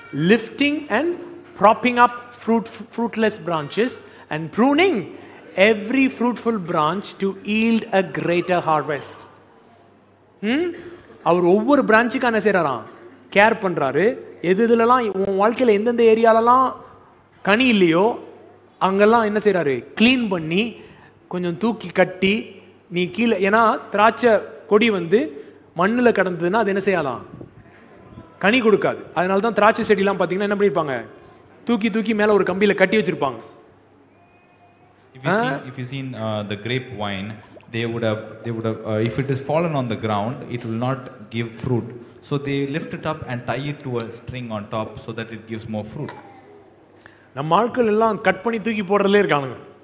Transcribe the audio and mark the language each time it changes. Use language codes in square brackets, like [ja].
[en] Lifting and propping up fruitless branches and pruning every fruitful branch to yield a greater harvest. [ta] அவர் ஒவ்வொரு பிரான்ச்சுக்கு என்ன செய்யறாராம்? Care பண்றாரு. எது இதுலலாம் உன் வாழ்க்கையில எந்தெந்த ஏரியாலலாம் கனி இல்லையோ அங்கெல்லாம் என்ன செய்யறாரு? கிளீன் பண்ணி கொஞ்சம் தூக்கி கட்டி நீ கீழே, ஏன்னா திராட்சை கொடி வந்து மண்ணில் கடந்ததுன்னா அது என்ன செய்யலாம்? கனி கொடுக்காது. அதனால தான் திராட்சை செடிலாம் பார்த்தீங்கன்னா என்ன பண்ணியிருப்பாங்க, தூக்கி தூக்கி மேலே ஒரு கம்பியில் கட்டி வச்சிருப்பாங்க. [en] If you seen the grape vine, they would have if it is fallen on the ground it will not give fruit, so they lift it up and tie it to a string on top so that it gives more fruit. [ta] நம்ம ஆட்கள் எல்லாம் cut பண்ணி தூக்கி போடுறதே இருக்கானுங்க.